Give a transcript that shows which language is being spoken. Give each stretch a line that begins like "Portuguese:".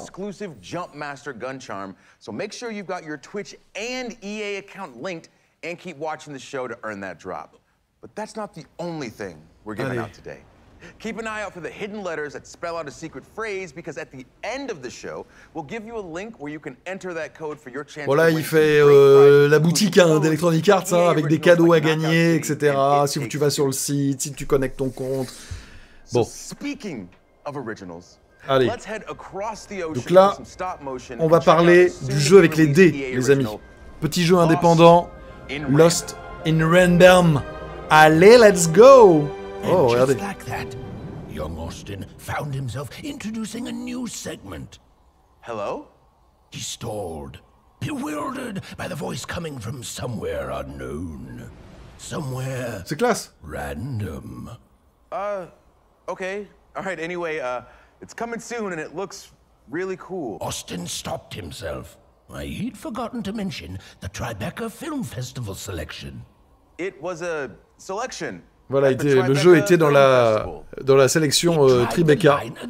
English: Exclusive Jumpmaster gun charm, so make sure you've got your Twitch and EA account linked and keep watching the show to earn that drop. But that's not the only thing we're giving out today. Keep an eye out for the hidden letters that spell out a secret phrase because at the end of the show, we'll give you a link where you can enter that code for your chance.
French: Voilà, il fait la boutique hein, d'Electronic Arts hein, avec des cadeaux à gagner, etc. Si tu vas sur le site, si tu connectes ton compte. Bon.
English: Speaking of originals.
French: Allez. Donc là, on va parler du jeu avec les dés, les amis. Petit jeu indépendant, Lost in Random. Allez,
English: let's go. Oh, and just
French: regardez.
English: Like that, young Austin found himself introducing a new segment. Hello? He stalled, bewildered by the voice coming from somewhere unknown. Somewhere...
French: C'est classe.
English: Random. Okay. All right, anyway, it's coming soon and it looks really cool. Austin stopped himself. Why, he'd forgotten to mention the Tribeca Film Festival selection. It was a selection.
French: Voilà, le jeu était dans la sélection Tribeca.